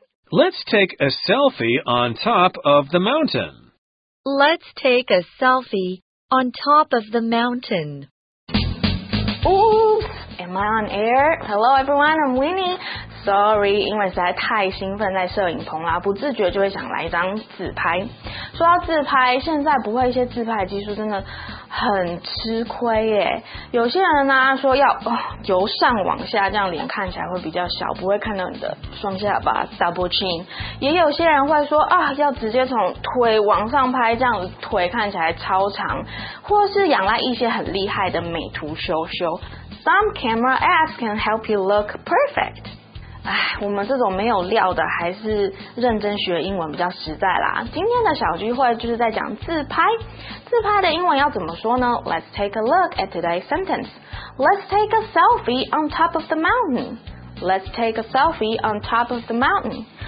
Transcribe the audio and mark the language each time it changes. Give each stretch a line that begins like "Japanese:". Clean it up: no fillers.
English: Let's take a selfie on top of the mountain. Let's take a selfie on top of the mountain. Oops, am I on air? Hello everyone, I'm Winnie.
Chinese: Sorry, 因为实在太兴奋在摄影棚啦，不自觉就会想来一张自拍。说到自拍，现在不会一些自拍技术真的很吃亏耶。有些人呢说要由上往下，这样脸看起来会比较小，不会看到你的双下巴 double chin。也有些人会说啊，要直接从腿往上拍，这样腿看起来超长，或是仰赖一些很厉害的美图修修。
English: Some camera apps can help you look perfect.
Chinese: 唉，我们这种没有料的还是认真学英文比较实在啦。今天的小聚会就是在讲自拍，自拍的英文要怎么说呢？
English: Let's take a look at today's sentence. Let's take a selfie on top of the mountain. Let's take a selfie on top of the mountain.